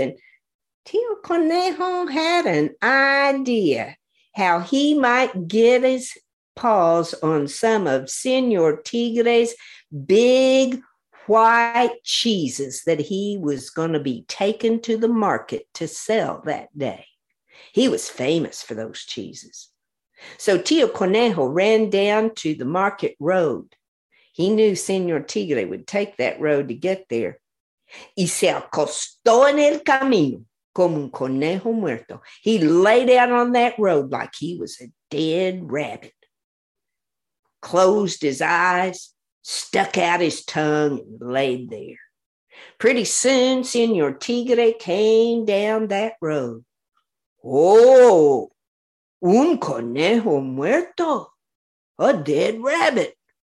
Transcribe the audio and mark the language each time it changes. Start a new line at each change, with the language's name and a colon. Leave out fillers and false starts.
English: And Tio Conejo had an idea how he might get his paws on some of Señor Tigre's big white cheeses that he was going to be taken to the market to sell that day. He was famous for those cheeses. So Tio Conejo ran down to the market road. He knew Señor Tigre would take that road to get there.
Spanish: Y se acostó en el camino como un conejo muerto.
English: He lay down on that road like he was a dead rabbit. Closed his eyes, stuck out his tongue, and laid there. Pretty soon, Señor Tigre came down that road.
Spanish: Oh, un conejo muerto,
English: a dead rabbit.